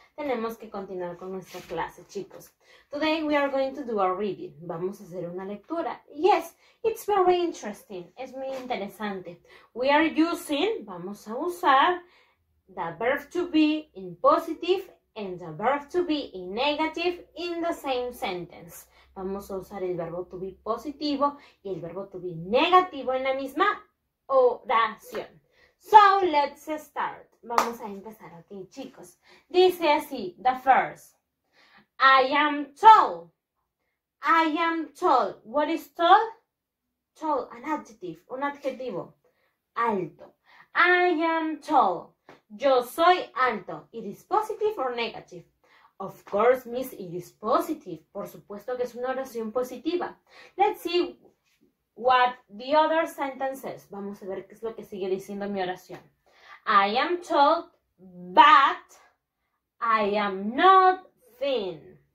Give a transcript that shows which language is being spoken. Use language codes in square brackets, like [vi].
[es] Tenemos que continuar con nuestra clase, chicos. [en] Today we are going to do a reading. [es] Vamos a hacer una lectura. [en] Yes, it's very interesting. [es] Es muy interesante. [en] We are using, [es] vamos a usar, [en] the verb to be in positive and the verb to be in negative in the same sentence. [es] Vamos a usar el verbo to be positivo y el verbo to be negativo en la misma oración. [en] So, let's start. [es] Vamos a empezar, ok, chicos. Dice así, [en] the first. I am tall. I am tall. What is tall? Tall, an adjective, [es] un adjetivo. [en] Alto. I am tall. [es] Yo soy alto. [en] It is positive or negative? Of course, miss, it is positive. [es] Por supuesto que es una oración positiva. [en] Let's see. What the other sentences? [es] Vamos a ver qué es lo que sigue diciendo mi oración. [en] I am tall, but I am not thin.